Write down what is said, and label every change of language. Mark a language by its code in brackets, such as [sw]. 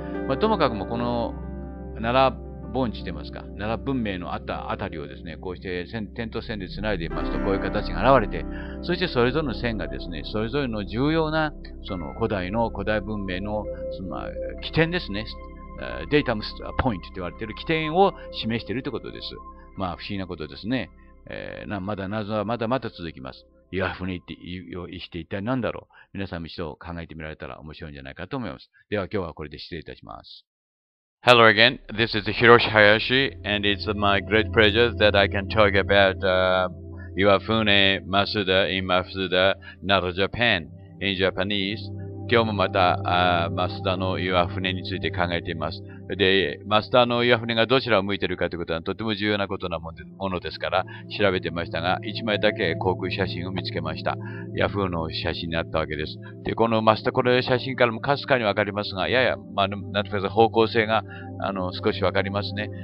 [ja] まあ、ともかくもこの奈良盆地といいますか、奈良文明のあったあたりをですね、こうして点と線でつないでいますと、こういう形が現れて、そしてそれぞれの線がですね、それぞれの重要なその古代文明の、まあ、起点ですね、データムスポイントと言われている起点を示しているということです。まあ不思議なことですね。まだ謎はまだまだ続きます。岩船って言って一体何だろう。皆さんも一度考えてみられたら面白いんじゃないかと思います。では今日はこれで失礼いたします。 [en] Hello again, this is Hiroshi Hayashi, and it's my great pleasure that I can talk about Iwafune Masuda in Masuda, Nara, Japan, in Japanese. [ja] 今日もまた、Masuda の Iwafune について考えています。で、Masuda の Iwafune がどちらを向いているかということはとても重要なことなものですから調べてましたが、一枚だけ航空写真を見つけました。 Yahoo の写真になったわけです。で、このMasuda、この写真からもかすかにわかりますが、やや、まあ、なんとか方向性が、少しわかりますね。